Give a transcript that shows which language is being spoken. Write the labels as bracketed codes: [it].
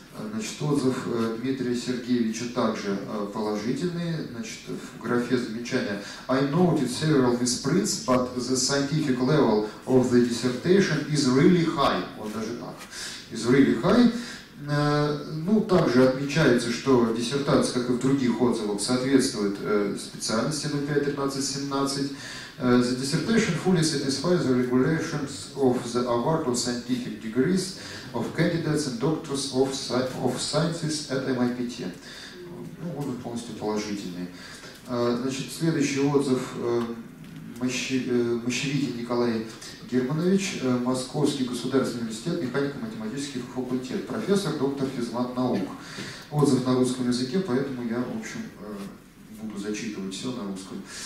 [ru] Значит, отзыв Дмитрия Сергеевича также положительный, значит, в графе замечания. [en] I noted several misprints, but the scientific level of the dissertation is really high. [ru] Вот даже так. [en] Is really high. [ru] Ну, также отмечается, что диссертация, как и в других отзывах, соответствует специальности 05-13-17. [en] The dissertation fully satisfies the regulations of the award of scientific degrees of candidates and doctors of sciences at MIPT. [ru] Ну, он полностью положительный. Значит, следующий отзыв Мощевитий Николай Германович, Московский государственный университет, механико-математический факультет, профессор, доктор физмат-наук. Отзыв на русском языке, поэтому я, в общем, буду зачитывать все на русском.